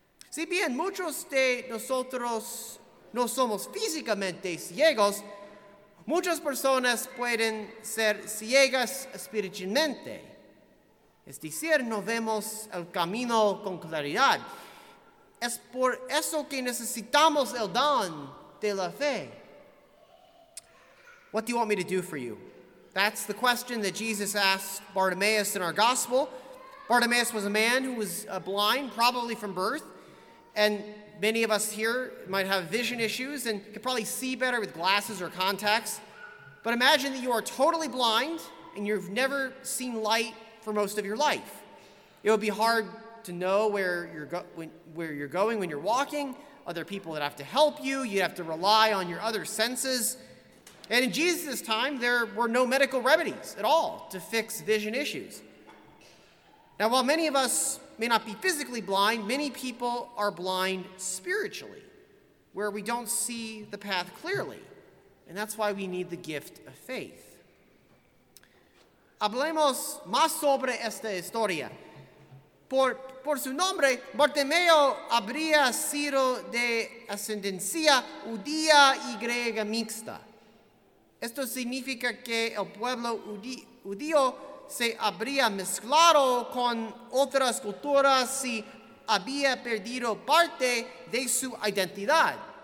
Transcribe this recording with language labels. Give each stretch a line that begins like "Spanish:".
Spanish: Si bien muchos de nosotros no somos físicamente ciegos, muchas personas pueden ser ciegas espiritualmente. Es decir, no vemos el camino con claridad. Es por eso que necesitamos el don de la fe.
English: What do you want me to do for you? That's the question that Jesus asked Bartimaeus in our gospel. Bartimaeus was a man who was blind, probably from birth. And many of us here might have vision issues and could probably see better with glasses or contacts. But imagine that you are totally blind and you've never seen light for most of your life. It would be hard to know where you're going when you're walking, other people that have to help you. You'd have to rely on your other senses. And in Jesus' time, there were no medical remedies at all to fix vision issues. Now, while many of us may not be physically blind, many people are blind spiritually, where we don't see the path clearly. And that's why we need the gift of faith.
Spanish: Hablemos más sobre esta historia. Por su nombre, Bartimeo habría sido de ascendencia judía y griega mixta. Esto significa que el pueblo judío se habría mezclado con otras culturas si había perdido parte de su identidad.